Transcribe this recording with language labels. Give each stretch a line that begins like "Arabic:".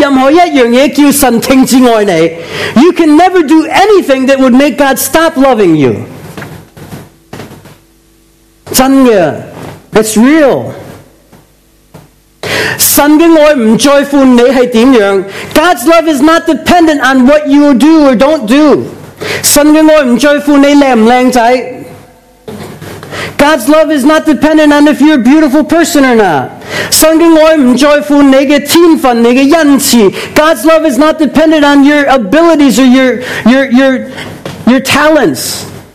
Chinese: 你不可以做任何一样东西叫神停止爱你.
English: You can never do anything that would make God stop loving you.
Chinese: 真的,
English: it's real.
Chinese: 神的爱不在乎你是怎样.
English: God's love is not dependent on what you do or don't do.
Chinese: 神的爱不在乎你靓不靓仔.
English: God's love is not dependent on if you're a beautiful person or not.
Chinese: 神的爱不在乎你的天分你的恩赐.
English: God's love is not dependent on your abilities or your talents.